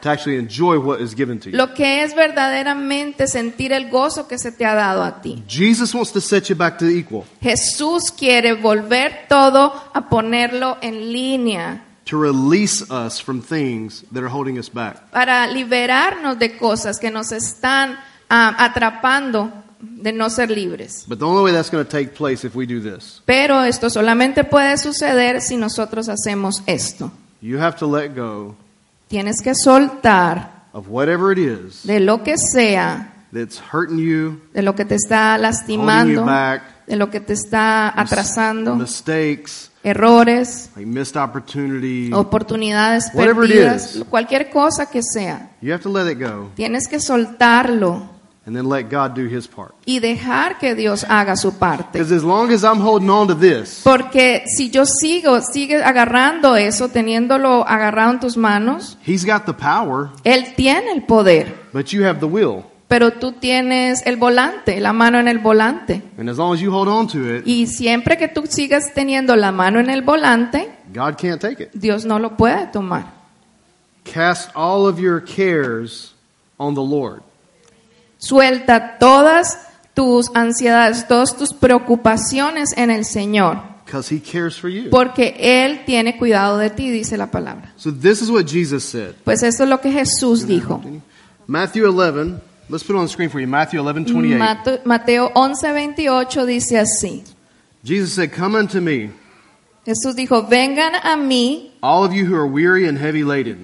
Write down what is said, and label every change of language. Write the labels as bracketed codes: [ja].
[en] to actually enjoy what is given to you. [es] Lo que es verdaderamente sentir el gozo que se te ha dado a ti. [en] Jesus wants to set you back to equal. [es] Jesús quiere volver todo a ponerlo en línea. [en] To release us from things that are holding us back. [es] Para liberarnos de cosas que nos están atrapando de no ser libres. [en] But the only way that's going to take place if we do this. [es] Pero esto solamente puede suceder si nosotros hacemos esto. [en] You have to let go. [es] Tienes que soltar. [en] Of whatever it is. [es] De lo que sea. [en] That's hurting you. [es] De lo que te está lastimando. [en] Holding you back. [es] De lo que te está atrasando. [en] Mistakes. [es] Errores. [en] Like missed opportunities. [es] Oportunidades [en] whatever [es] perdidas. [en] Whatever it is. [es] Cualquier cosa que sea. [en] You have to let it go. [es] Tienes que soltarlo. [en] And then let God do His part. [es] Y dejar que Dios haga su parte. [en] Because as long as I'm holding on to this, [es] porque si yo sigue agarrando eso, teniéndolo agarrado en tus manos, [en] He's got the power. [es] Él tiene el poder. [en] But you have the will. [es] Pero tú tienes el volante, la mano en el volante. [en] And as long as you hold on to it, [es] y siempre que tú sigas teniendo la mano en el volante, [en] God can't take it. [es] Dios no lo puede tomar. [en] Cast all of your cares on the Lord. [es] Suelta todas tus ansiedades, todas tus preocupaciones en el Señor. [en] Because He cares for you. [es] Porque Él tiene cuidado de ti, dice la palabra. [en] So this is what Jesus said. [es] Pues esto es lo que Jesús dijo. [en] Matthew 11, let's put it on the screen for you. Matthew 11, 28. [es] Mateo 11, 28 dice así. [en] Jesus said, come unto me. [es] Jesús dijo, vengan a mí. [en] All of you who are weary and heavy laden.